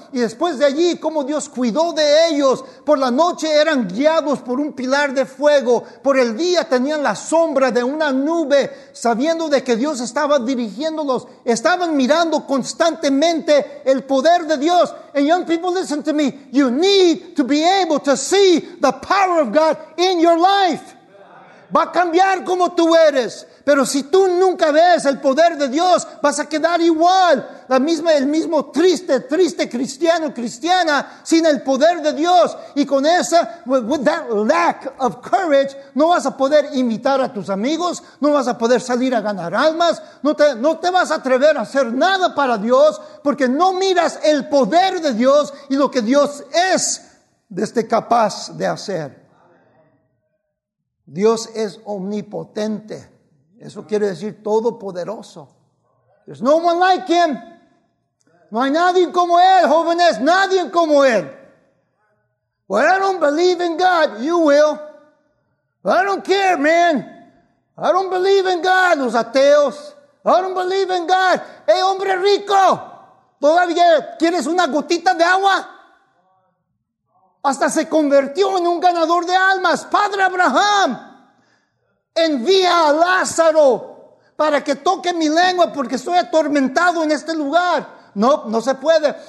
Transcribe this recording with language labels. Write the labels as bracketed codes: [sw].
[es] Y después de allí, cómo Dios cuidó de ellos. Por la noche eran guiados por un pilar de fuego. Por el día tenían la sombra de una nube, sabiendo de que Dios estaba dirigiéndolos. Estaban mirando constantemente el poder de Dios. [en] And young people, listen to me. You need to be able to see the power of God in your life. [es] Va a cambiar como tú eres. Pero si tú nunca ves el poder de Dios, vas a quedar igual. La misma, el mismo triste cristiano, cristiana, sin el poder de Dios. Y con esa, [en] with that lack of courage, [es] no vas a poder invitar a tus amigos, no vas a poder salir a ganar almas, no te vas a atrever a hacer nada para Dios, porque no miras el poder de Dios y lo que Dios es capaz de hacer. Dios es omnipotente. Eso quiere decir todopoderoso. [en] There's no one like him. [es] No hay nadie como él, jóvenes. Nadie como él. [en] Well, I don't believe in God. You will. I don't care, man. I don't believe in God, [es] los ateos. [en] I don't believe in God. Hey, [es] hombre rico. ¿Todavía quieres una gotita de agua? Hasta se convirtió en un ganador de almas. Padre Abraham. Envía a Lázaro para que toque mi lengua porque estoy atormentado en este lugar. No, no se puede.